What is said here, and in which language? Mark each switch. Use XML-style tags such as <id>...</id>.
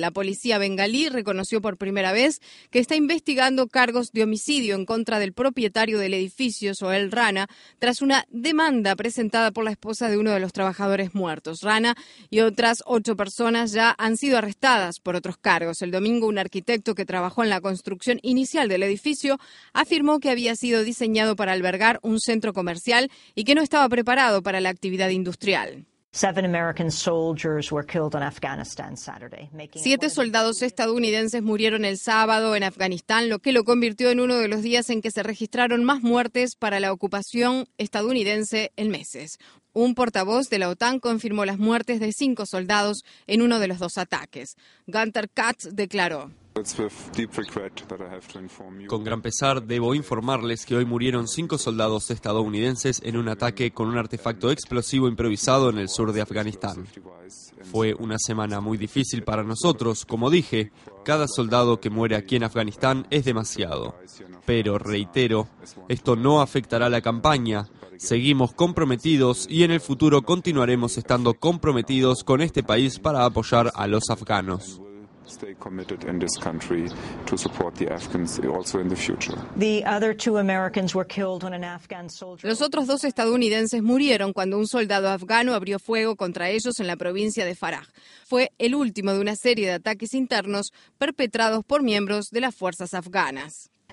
<es>La policía bengalí reconoció por primera vez que está investigando cargos de homicidio en contra del propietario del edificio, Sohel Rana, tras una demanda presentada por la esposa de uno de los trabajadores muertos. Rana y otras 8 personas ya han sido arrestadas por otros cargos. El domingo, un arquitecto que trabajó en la construcción inicial del edificio afirmó que había sido diseñado para albergar un centro comercial y que no estaba preparado para la actividad industrial.</es> <en>7 American soldiers were killed in Afghanistan Saturday.</en> <es>7 soldados estadounidenses murieron el sábado en Afganistán, lo que lo convirtió en uno de los días en que se registraron más muertes para la ocupación estadounidense en meses. Un portavoz de la OTAN confirmó las muertes de 5 soldados en uno de los 2 ataques. Gunther Katz declaró: con gran pesar, debo informarles que hoy murieron 5 soldados estadounidenses en un ataque con un artefacto explosivo improvisado en el sur de Afganistán. Fue una semana muy difícil para nosotros. Como dije, cada soldado que muere aquí en Afganistán es demasiado. Pero reitero, esto no afectará la campaña. Seguimos comprometidos y en el futuro continuaremos estando comprometidos con este país para apoyar a los afganos.</es> <en>Stay committed in this country to support the Afghans also in the future. The other 2 Americans were killed when an Afghan soldier.</en> <es>Los otros 2 estadounidenses murieron cuando un soldado afgano abrió fuego contra ellos en la provincia de Farah. Fue el último de una serie de ataques internos perpetrados por miembros de las fuerzas afganas.</es>